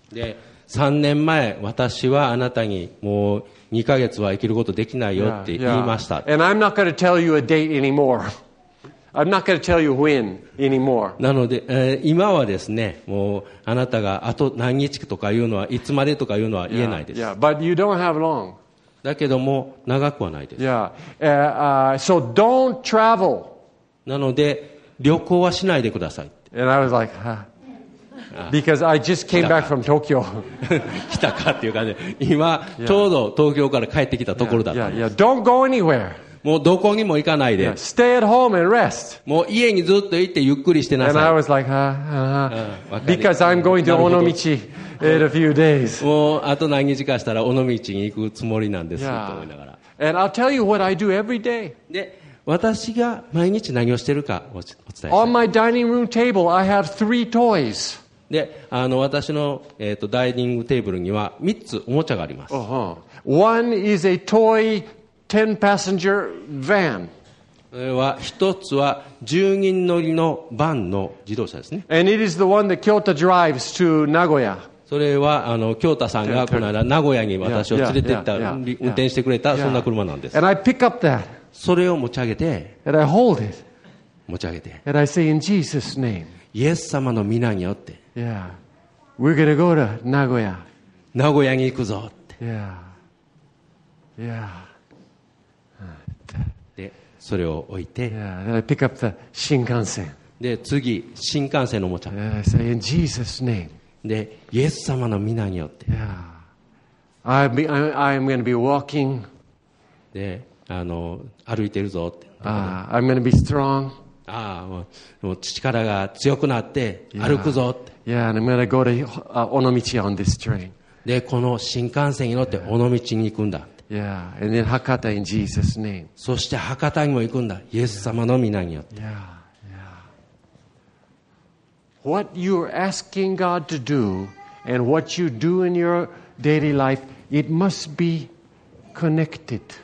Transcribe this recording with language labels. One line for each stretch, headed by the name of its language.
Japanese: で、3年前、私はあなたにもう2ヶ月は生きることできないよって言いました。
English: Yeah, yeah. And I'm not going to tell you a date anymore. I'm not going to tell you when anymore.
Japanese: なので、今はですね、もうあなたがあと何日とかいうのは、いつまでとかいうのは言えないです。
English: Yeah, yeah, but you don't have long.
Japanese: だけども長くはないです。
English: Yeah. So don't travel.
Japanese: なので旅行はしないでください。
English: And I was like, huh? Because I just came back from Tokyo.
Japanese: 来たかっていう感じで、今ちょうど東京から帰ってきたところだったんです。
English: Yeah, yeah, yeah. Don't go anywhere.
Japanese: もうどこにも行かないで。
English: Yeah, stay at home and rest.
Japanese: もう家にずっと行ってゆっくりしてなさい。
English: And I was like, because I'm going to Onomichi in a few days.
Japanese: もうあと何日かしたら尾道に行くつもりなんですと思いながら。
English: And I'll tell you what I do every day.
Japanese: で、私が毎日何をしてるかお伝えします。
English: On my dining room table, I have three toys.
Japanese: で、私の、ダイニングテーブルには3つおもちゃがあります。
English: Uh-huh. One is a toy. 10 passenger van.
Japanese: それは一つは10人乗りのバンの自動車ですね。
English: And it is the one that Kyota drives to Nagoya.
Japanese: それは Kyota さんがこの間名古屋に私を連れて行った、運転してくれたそんな車なんです。
English: And I pick up that.
Japanese: それを持ち上げて。
English: And I hold it.
Japanese: 持ち上げて。
English: And I say in Jesus' name.
Japanese: イエス様の名によって。
English: Yeah. We're gonna go to Nagoya.
Japanese: 名古屋に行くぞって。
English: Yeah. Yeah.
Japanese: それを置いて、
English: yeah, I pick up the 新幹線
Japanese: で次新幹線のおもちゃ、
English: yeah, I say in Jesus name.
Japanese: でイエス様の御名によって、
English: yeah. I'm going to be walking.
Japanese: で歩いてるぞって、
English: I'm going to be strong.
Japanese: もう力が強くなって歩くぞって、
English: yeah. Yeah, and I'm going to go to 尾道 on this train.
Japanese: でこの新幹線に乗って尾道に行くんだ。
English: Yeah, and then Hakata in Jesus' name.
Japanese: そして博多にも行くんだ。イエス様の名によって。
English: Yeah, yeah. What you're asking God to do and what you do in your daily life, it must be connected.